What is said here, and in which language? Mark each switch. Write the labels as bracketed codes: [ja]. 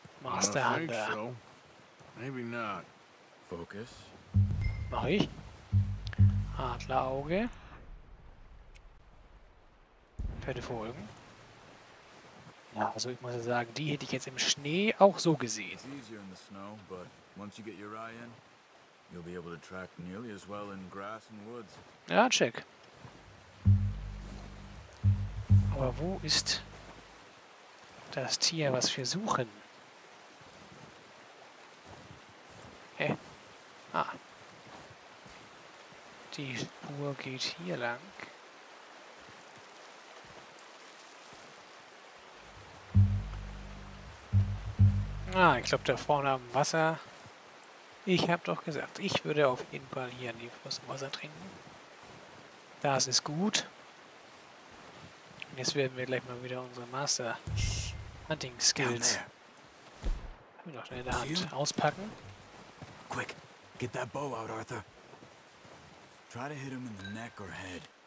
[en] Master Hunter. So. Maybe not. Focus. [de] Mach ich. Adlerauge. Pferde folgen. Ja, also ich muss ja sagen, die hätte ich jetzt im Schnee auch so gesehen. [en] It's easier in the snow, but once you get your eye in, you'll be able to track nearly as well in grass and woods. [de] Ja, check. Aber wo ist das Tier, was wir suchen? Hä? Ah. Die Spur geht hier lang. Ah, ich glaube da vorne am Wasser. Ich habe doch gesagt, ich würde auf jeden Fall hier an die Flüsse Wasser trinken. Das ist gut. Und jetzt werden wir gleich mal wieder unsere Master Hunting Skills noch in der Hand auspacken. [en] Quick, get that bow out, Arthur. Try to hit him in the neck or head.